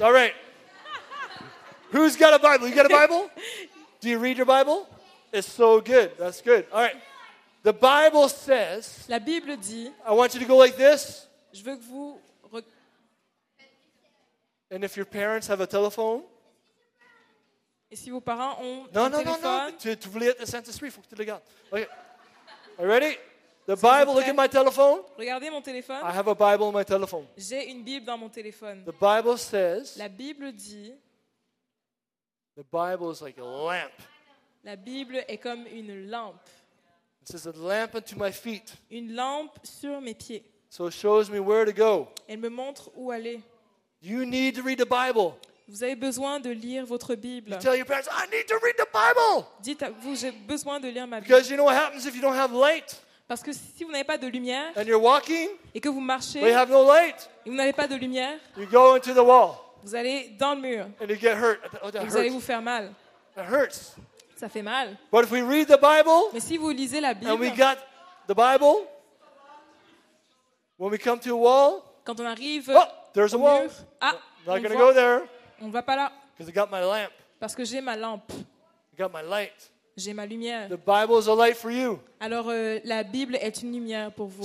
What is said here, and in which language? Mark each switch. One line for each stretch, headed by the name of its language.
English: All right. Who's got a Bible? You got a Bible? Do you read your Bible? It's so good. That's good. All right. The Bible says.
French: La Bible dit.
English: I want you to go like this.
French: Je veux que vous.
English: And if your parents have a telephone.
French: Et si vos parents ont téléphone. Tu voulais être le Saint-Esprit, il faut que tu le gardes.
English: Okay. Are you ready? The Bible. Look at my telephone.
French: Regardez mon téléphone.
English: I have a Bible on my telephone.
French: J'ai une Bible dans mon téléphone.
English: The Bible says.
French: La Bible dit.
English: The Bible is like a lamp.
French: La Bible est comme une lampe.
English: It says a lamp unto my feet.
French: Une lampe sur mes pieds.
English: So it shows me where to go.
French: Elle me montre où aller.
English: You need to read the Bible.
French: Vous avez besoin de lire votre Bible.
English: You tell your parents, I need to read the Bible.
French: Dites à vous, j'ai besoin de lire ma Bible.
English: Because you know what happens if you don't have light.
French: Parce que si vous n'avez pas de lumière.
English: And you're walking.
French: Et que vous marchez.
English: But you have no light.
French: Et vous n'avez pas de lumière.
English: You go into the wall.
French: Vous allez dans le mur.
English: And you get hurt. Oh, that
French: vous
English: hurts.
French: Allez vous faire mal.
English: That hurts.
French: Ça fait mal.
English: But if we read the Bible,
French: mais si vous lisez la Bible,
English: and we got the Bible, when we come to a wall,
French: quand on arrive
English: oh, there's
French: au
English: a wall.
French: Mur, ah,
English: not going to go there.
French: On va pas là.
English: Because I got my lamp.
French: Parce que j'ai ma lampe.
English: I got my light.
French: J'ai ma lumière.
English: The Bible is a light for you.
French: Alors la Bible est une lumière pour vous.